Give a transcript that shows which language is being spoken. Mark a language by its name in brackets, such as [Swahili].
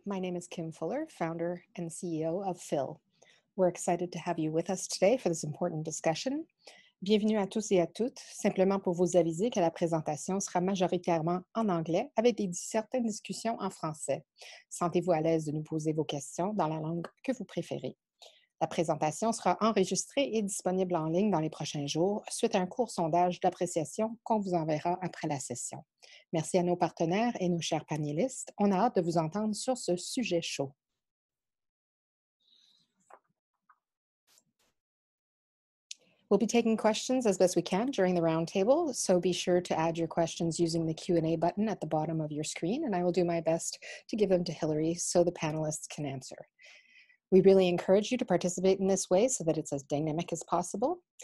[English] My name is Kim Fuller, founder and CEO of Phil. We're excited to have you with us today for this important discussion. [French] Bienvenue à tous et à toutes. Simplement pour vous aviser que la présentation sera majoritairement en anglais avec certaines discussions en français. Sentez-vous à l'aise de nous poser vos questions dans la langue que vous préférez. La présentation sera enregistrée et disponible en ligne dans les prochains jours suite à un court sondage d'appréciation qu'on vous enverra après la session. Merci à nos partenaires et nos chers panélistes. On a hâte de vous entendre sur ce sujet chaud. [English] We'll be taking questions as best we can during the roundtable, so be sure to add your questions using the Q&A button at the bottom of your screen, and I will do my best to give them to Hilary so the panelists can answer. We really encourage you to participate in this way so that it's as dynamic as possible.